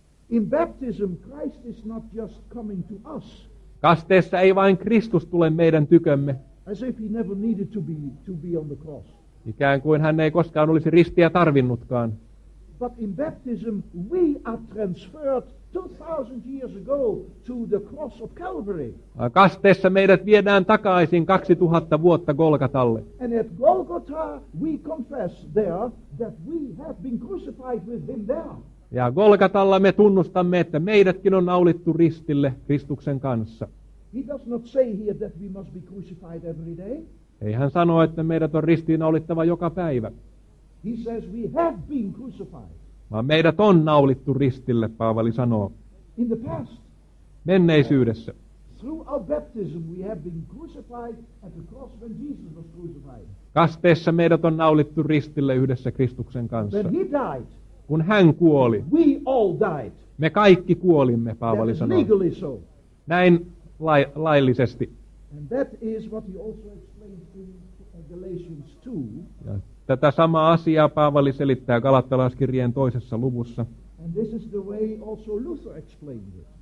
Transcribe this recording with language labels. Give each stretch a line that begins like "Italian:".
English: In baptism Christ is not just coming to us.
Finnish: Kasteessa ei vain Kristus tule meidän tykömme.
English: As if he never needed to be on the cross.
Finnish: Ikään kuin hän ei koskaan olisi ristiä tarvinnutkaan.
English: But in baptism we are transferred 2000 years ago to the cross of Calvary.
Finnish: Kasteessa meidät viedään takaisin 2000 vuotta Golgatalle.
English: And at Golgotha we confess there that we have been crucified with him there.
Finnish: Ja Golgatalla me tunnustamme, että meidätkin on naulittu ristille Kristuksen kanssa.
English: He does not say here that we must be crucified every day.
Finnish: Ei hän sano, että meidät on ristiin naulittava joka päivä.
English: He says we have been crucified.
Finnish: Vaan meidät on naulittu ristille, Paavali sanoo.
English: In the past,
Finnish: menneisyydessä.
English: Through our baptism we have been crucified at the cross when Jesus was crucified.
Finnish: Kasteessa meidät on naulittu ristille yhdessä Kristuksen kanssa.
English: When he died,
Finnish: kun hän kuoli,
English: we all died.
Finnish: Me kaikki kuolimme, Paavali sanoo.
English: Legally so.
Finnish: Näin laillisesti.
English: And that is what he also explained in Galatians 2.
Finnish: Ja tätä samaa asiaa Paavali selittää Galattalaiskirjeen toisessa luvussa.
English: And this is the way also Luther explained it.